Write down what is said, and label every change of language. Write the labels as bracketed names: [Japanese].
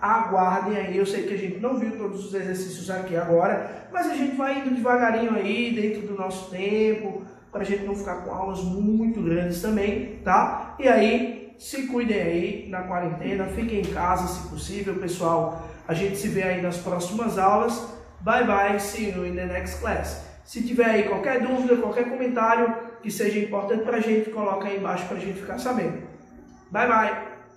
[Portuguese] Aguardem aí, eu sei que a gente não viu todos os exercícios aqui agora, mas a gente vai indo devagarinho aí dentro do nosso tempo, para a gente não ficar com aulas muito grandes também, tá? E aí, se cuidem aí na quarentena, fiquem em casa se possível, pessoal. A gente se vê aí nas próximas aulas. [English] Bye bye, see you in the next class. [Portuguese] Se tiver aí qualquer dúvida, qualquer comentário que seja importante pra gente, coloca aí embaixo pra gente ficar sabendo. [English] Bye bye!